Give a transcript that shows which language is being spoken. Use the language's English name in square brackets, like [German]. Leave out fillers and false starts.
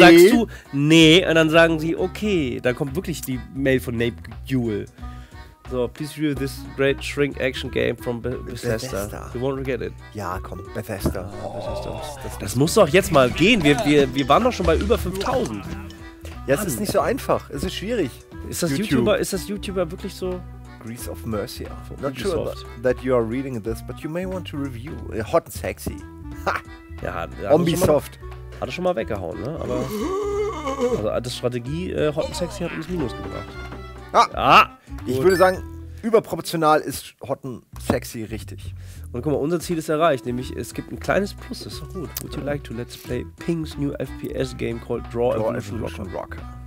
[German] Sagst du, nee, und dann sagen sie, okay, dann kommt wirklich die Mail von Nape Gewill. [English] So, please review this great Shrink-Action-Game from Bethesda. We won't forget it. [German] Ja, komm, Bethesda. Oh. Das muss doch jetzt mal gehen, wir waren doch schon bei über 5000. Ja, es ist nicht so einfach, es ist schwierig. Ist das YouTube. YouTuber, ist das YouTuber wirklich so... [English] Grease of Mercy. Not sure that you are reading this, but you may want to review. Hot and sexy. [German] Ha! Ja, Ubisoft. Hat er schon mal weggehauen, ne? Aber. Also, die Strategie Hot and sexy hat uns Minus gebracht. Ah! Ah, ich würde sagen, überproportional ist Hot and sexy richtig. Und guck mal, unser Ziel ist erreicht, nämlich es gibt ein kleines Plus, das ist doch gut. [English] Would you like to let's play Ping's new FPS game called Draw Evolution Rocker?